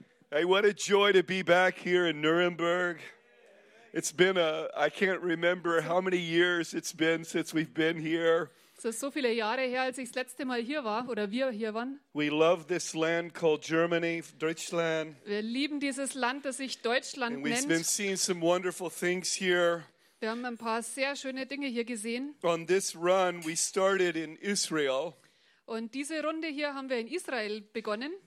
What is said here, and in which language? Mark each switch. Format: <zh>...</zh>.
<en>Hey, what a joy to be back here in Nuremberg. It's been I can't remember how many years it's been since we've been here.</en> <de>Es ist so viele Jahre her, als ich das letzte Mal hier war oder wir hier waren.</de> <en>We love this land called Germany, Deutschland.</en> <de>Wir lieben dieses Land, das sich Deutschland nennt.</de> <en>We've been seeing some wonderful things here.</en> <de>Wir haben ein paar sehr schöne Dinge hier gesehen.</de> <en>On this run, we started in Israel.</en> <de>Und diese Runde hier haben wir in Israel begonnen.</de>